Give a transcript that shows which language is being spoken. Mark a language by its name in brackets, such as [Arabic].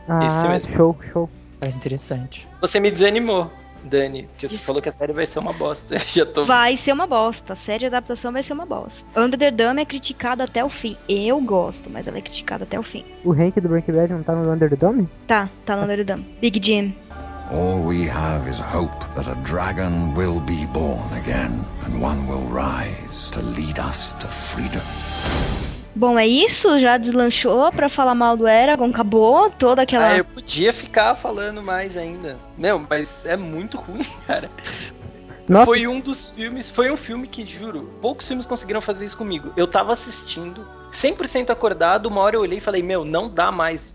[Portuguese] Ah, esse mesmo. show. Mais interessante. Você me desanimou. Dani, porque você falou que a série vai ser uma bosta. Já tô... Vai ser uma bosta. A série de adaptação vai ser uma bosta. Under the Dome é criticada até o fim. Eu gosto, mas ela é criticada até o fim. O Hank do Breaking Bad não tá no Under the Dome? Tá no Under the Dome. Big Jim. [English] All we have is hope that a dragon will be born again. And one will rise to lead us to freedom. [Portuguese] Bom, é isso? Já deslanchou pra falar mal do Eragon? Acabou toda aquela... Ah, eu podia ficar falando mais ainda. Não, mas é muito ruim, cara. Nossa. Foi um dos filmes... Foi um filme que, juro, poucos filmes conseguiram fazer isso comigo. Eu tava assistindo, 100% acordado, uma hora eu olhei e falei, meu, não dá mais.